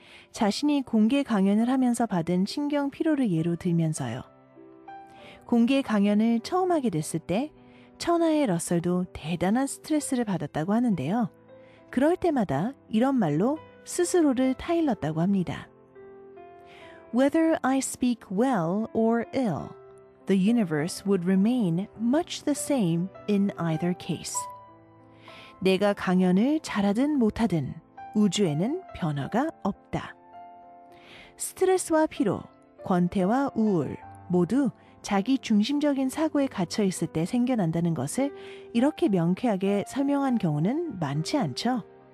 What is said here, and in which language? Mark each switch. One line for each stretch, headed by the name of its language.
Korean: 자신이 공개 강연을 하면서 받은 신경 피로를 예로 들면서요. 공개 강연을 처음 하게 됐을 때 천하의 러셀도 대단한 스트레스를 받았다고 하는데요. 그럴 때마다 이런 말로 스스로를 타일렀다고 합니다.
English: Whether I speak well or ill, the universe would remain much the same in either case.
Korean: 내가 강연을 잘하든 못하든 우주에는 변화가 없다. 스트레스와 피로, 권태와 우울 모두 자기 중심적인 사고에 갇혀 있을 때 생겨난다는 것을 이렇게 명쾌하게 설명한 경우는 많지 않죠.